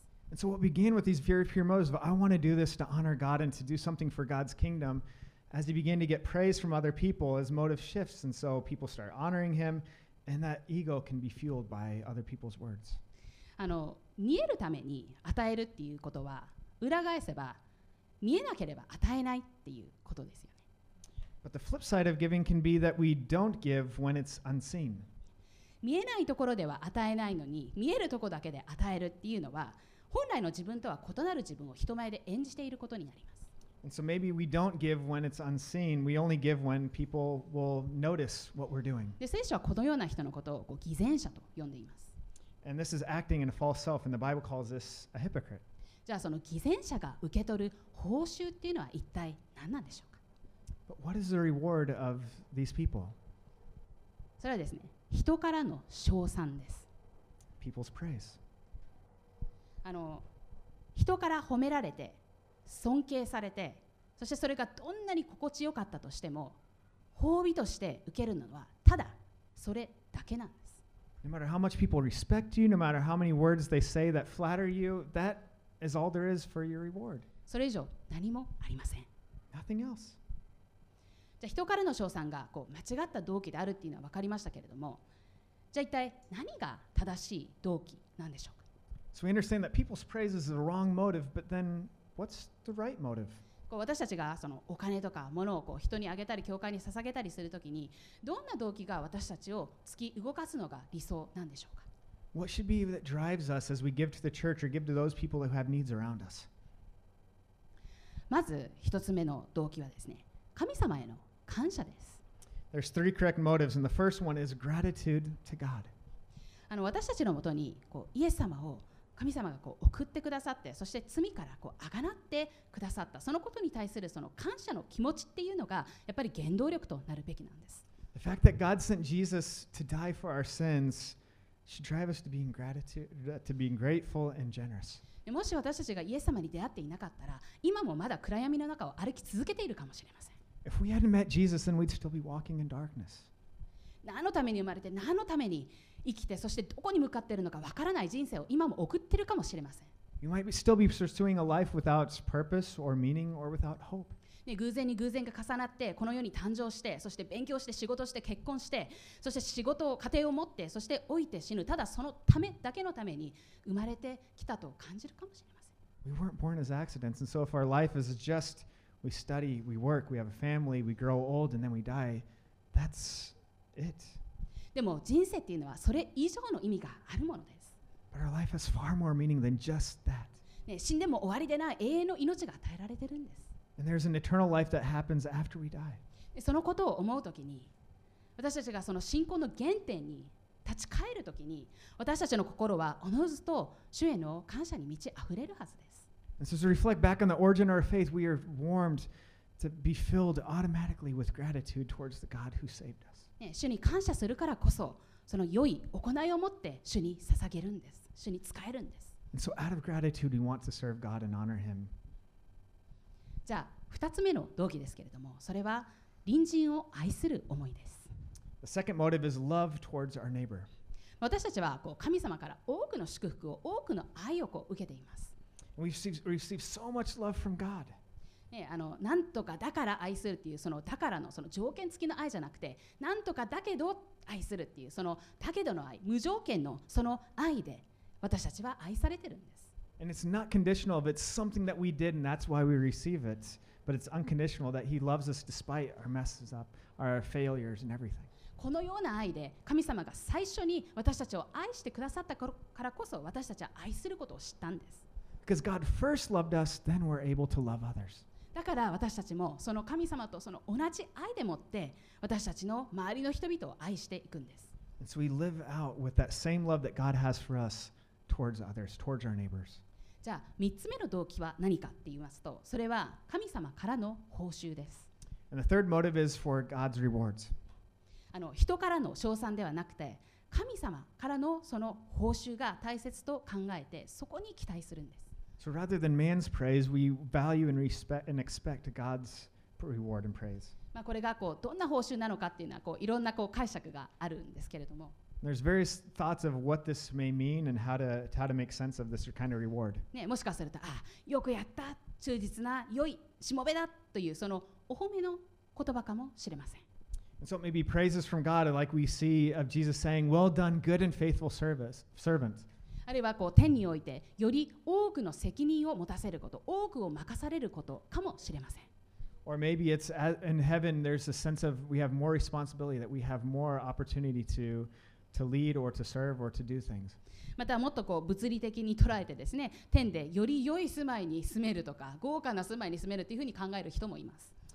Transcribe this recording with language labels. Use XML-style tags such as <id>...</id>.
<en>And so what began with these very pure motives of I want to do this to honor God and to do something for God's kingdom. As he began to get praise from other people, his motive shifts, and so people start honoring him, and that ego can be fueled by other people's words.</en> <ja>あの、見えるために与えるっていうことは、裏返せば、見えなければ与えないっていうことですよね。</ja> <en>But the flip side of giving can be that we don't give when it's unseen.</en> <ja>見えないところでは与えないのに、見えるところだけで与えるっていうのは、本来の自分とは異なる自分を人前で演じていることになります。</ja> <en>And so maybe we don't give when it's unseen. We only give when people will notice what we're doing.</en> <ja>で、聖書はこのような人のことをこう偽善者と呼んでいます。</ja> <en>And this is acting in a false self, and the Bible calls this a hypocrite.</en> <ja>じゃあその偽善者が受け取る報酬っていうのは一体何なんでしょうか?</ja> <en>But what is the reward of these people?</en> <ja>それはですね、人からの称賛です。</ja> <en>People's praise.</en> <ja>あの、人から褒められて尊敬されて、そしてそれがどんなに心地よかったとしても、褒美として受けるのはただそれだけなんです。</ja> <en>No matter how much people respect you, no matter how many words they say that flatter you, that is all there is for your reward.</en> <ja>それ以上何もありません。</ja> <en>Nothing else.</en> <ja>じゃあ人からの称賛がこう間違った動機であるっていうのは分かりましたけれども、じゃあ一体何が正しい動機なんでしょうか。</ja> <en>So we understand that people's praise is the wrong motive, but then What's the right motive?</en> <ja>こう私たちがそのお金とか物をこう人にあげたり教会に捧げたりするときにどんな動機が私たちを突き動かすのが理想なんでしょうか。</ja> <en>What should be that drives us as we give to the church or give to those people who have needs around us?</en> <ja>まず一つ目の動機はですね、神様への感謝です。</ja> <en>There's three correct motives, and the first one is gratitude to God.</en> <ja>あの私たちのもとにこうイエス様を神様がこう送ってくださって、そして罪からこうあがなってくださった、そのことに対するその感謝の気持ちっていうのがやっぱり原動力となるべきなんです。</ja> <en>The fact that God sent Jesus to die for our sins. Should drive us to being gratitude, to being grateful and generous.</en> <ja>もし私たちがイエス様に出会っていなかったら、今もまだ暗闇の中を歩き続けているかもしれません。</ja> <en>If we hadn't met Jesus, then we'd still be walking in darkness.</en> <ja>何のために生まれて、何のために生きて、そしてどこに向かっているのかわからない人生を今も送っているかもしれません。</ja> <en>You might still be pursuing a life without purpose or meaning or without hope.</en> <ja>ね、偶然に偶然が重なってこの世に誕生して、そして勉強して仕事して結婚して、そして仕事を家庭を持って、そして老いて死ぬ、ただそのためだけのために生まれてきたと感じるかもしれません。</ja> <en>We weren't born as accidents, and so if our life is just we study, we work, we have a family, we grow old, and then we die, that's it.</en> <ja>でも人生っていうのはそれ以上の意味があるものです。</ja> <en>But our life has far more meaning than just that.、</en> <ja>ね、死んでも終わりでない永遠の命が与えられてるんです。</ja> <en>And there's an eternal life that happens after we die.</en> <ja>そのことを思うときに、私たちがその信仰の原点に立ち返るときに、私たちの心はおのずと主への感謝に満ち溢れるはずです。</ja> <en>And so to reflect back on the origin of our faith, we are warmed to be filled automatically with gratitude towards the God who saved us.</en> <ja>主に感謝するからこそ、その良い行いを持って主に捧げるんです。主に仕えるんです。</ja> <en>And so out of gratitude, we want to serve God and honor Him.</en> <ja>じゃあ二つ目の動機ですけれども、それは隣人を愛する思いです。</ja> <en>The second motive is love towards our neighbor.</en> <ja>私たちはこう神様から多くの祝福を、多くの愛をこう受けています。</ja> <en>We receive so much love from God.</en> <ja>ね、あの、なんとかだから愛するっていうそのだからのその条件付きの愛じゃなくて、なんとかだけど愛するっていうそのだけどの愛、無条件のその愛で私たちは愛されてるんです。</ja> <en>And it's not conditional if it's something that we did and that's why we receive it. But it's unconditional that He loves us despite our messes up, our failures and everything.</en> <ja>このような愛で神様が最初に私たちを愛してくださったからこそ私たちは愛することを知ったんです。</ja> <en>Because God first loved us, then we're able to love others.</en> <ja>だから私たちもその神様とその同じ愛でもって私たちの周りの人々を愛していくんです。</ja> <en>And so we live out with that same love that God has for us. Towards others, towards our neighbors.</en> <ja>じゃあ三つ目の動機は何かって言いますと、それは神様からの報酬です。</ja> <en>And the third motive is for God's rewards.</en> <ja>あの人からの賞賛ではなくて、神様からのその報酬が大切と考えて、そこに期待するんです。</ja> <en>So rather than man's praise, we value and respect and expect God's reward and praise.</en> <ja>まあこれがこうどんな報酬なのかっていうのはこういろんなこう解釈があるんですけれども。</ja> <en>There's various thoughts of what this may mean and how to make sense of this kind of reward.</en> <ja>ね、もしかすると、あ、よくやった、忠実な、良い、しもべだというそのお褒めの言葉かもしれません。</ja> <en>And so it may be praises from God, like we see of Jesus saying, "Well done, good and faithful servant."</en> <ja>あるいはこう天においてより多くの責任を持たせること、多くを任されることかもしれません。</ja> <en>Or maybe it's in heaven. There's a sense of we have more responsibility that we have more opportunity to. To lead or to serve or to do things.</en> <ja>またもっとこう物理的に捉えてですね、天でより良い住まいに住めるとか、豪華な住まいに住めるというふうに考える人もいます。</ja>